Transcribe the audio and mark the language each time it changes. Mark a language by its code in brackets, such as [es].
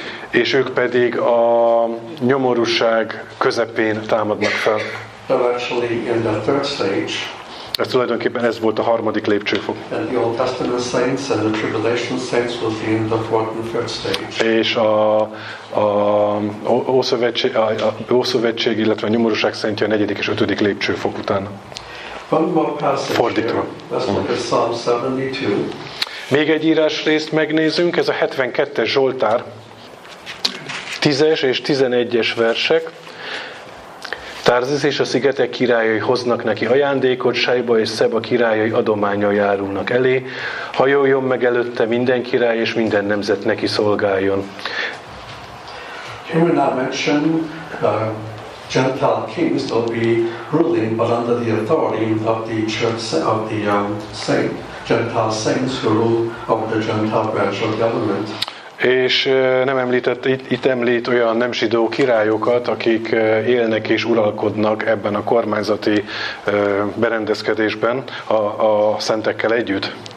[hu] És ők pedig a nyomorúság közepén támadnak fel. [en] Actually in the third stage. [hu] Ez tulajdonképpen ez volt a harmadik lépcsőfok. [en] And the Old Testament saints and the tribulation saints will be in the fourth and fifth stage. [hu] És a ószövetség, illetve a nyomorúság szentje a negyedik és ötödik lépcsőfok után. [en] One more passage. [hu] Fordítva. [en] Let's look at Psalm 72. [hu] Még egy írásrészt megnézünk, ez a 72-es Zsoltár, 10-es és 11-es versek. Tarzisz és a szigetek királyai hoznak neki ajándékot, Sajba és Szeba királyai adománya járulnak elé, hajoljon meg előtte minden király és minden nemzet neki szolgáljon. [en] He will not mention Gentile kings that will be ruling, but under the authority of the church of the Gentile saints who rule over the Gentile branch of government. [hu] És nem említett, itt említ olyan nem zsidó királyokat, akik élnek és uralkodnak ebben a kormányzati berendezkedésben a szentekkel együtt.